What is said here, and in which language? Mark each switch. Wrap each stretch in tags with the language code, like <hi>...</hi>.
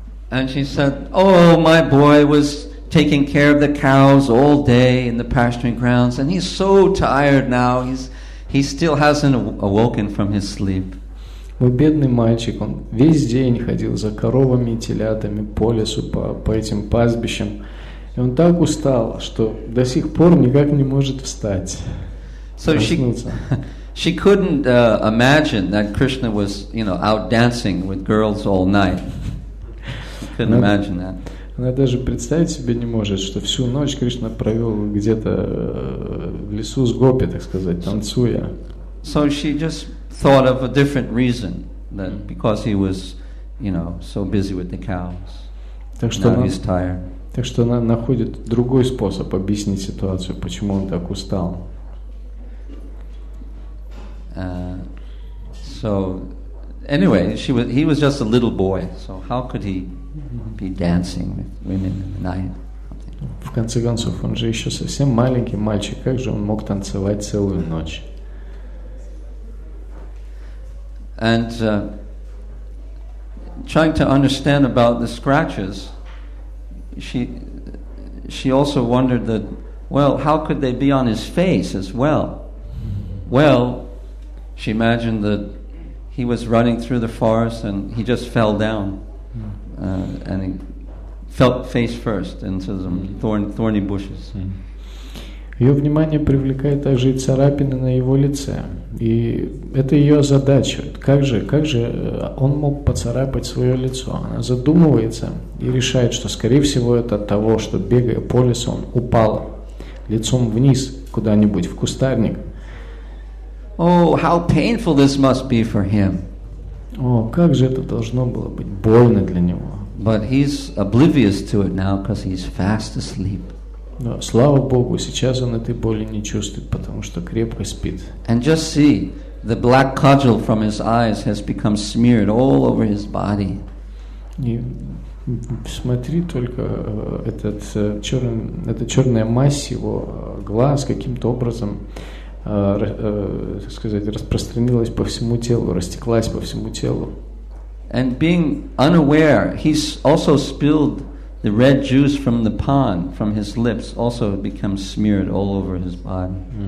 <en>And she said, oh, my boy was taking care of the cows all day in the pasturing grounds, and he's so tired now, he still hasn't awoken from his sleep.</en> <ru>Мой бедный мальчик, он весь день ходил за коровами и телятами по лесу, по этим пастбищам. И он так устал, что до сих пор никак не может встать.</ru> <en>So she couldn't imagine that Krishna was, you know, out dancing with girls all night. Couldn't imagine that.</en> <ru>Она даже представить себе не может, что всю ночь Кришна провел где-то в лесу с гопи, так сказать, танцуя.</ru> <en>So she just thought of a different reason, that because he was, you know, so busy with the cows.</en> <ru>Так что</ru> <en>now he's tired.</en> <ru>Так что она находит другой способ объяснить ситуацию, почему он так устал.</ru> <en>So, anyway, he was just a little boy. So how could he be dancing with women in the night?</en> <ru>В конце концов, он же еще совсем маленький мальчик. Как же он мог танцевать целую ночь?</ru> <en>And trying to understand about the scratches. She also wondered that, well, how could they be on his face as well? Well, she imagined that he was running through the forest and he just fell down, and he fell face first into some thorny bushes.</en> <ru>Ее внимание привлекает также и царапины на его лице. И это ее задача. Как же он мог поцарапать свое лицо? Она задумывается и решает, что, скорее всего, это от того, что, бегая по лесу, он упал лицом вниз куда-нибудь в кустарник.</ru> <en>Oh, how painful this must be for him.</en> <ru>О, как же это должно было быть больно для него.</ru> <en>But he's oblivious to it now because he's fast asleep.</en> <ru>Но слава Богу, сейчас он этой боли не чувствует, потому что крепко спит.</ru> <en>And just see, the black cudgel from his eyes has become smeared all over his body.</en> <ru>И смотри только, эта черная мазь его глаз каким-то образом, распространилась по всему телу, растеклась по всему телу.</ru> <en>And being unaware, he's also spilled the red juice from the pond, from his lips, also becomes smeared all over his body.</en>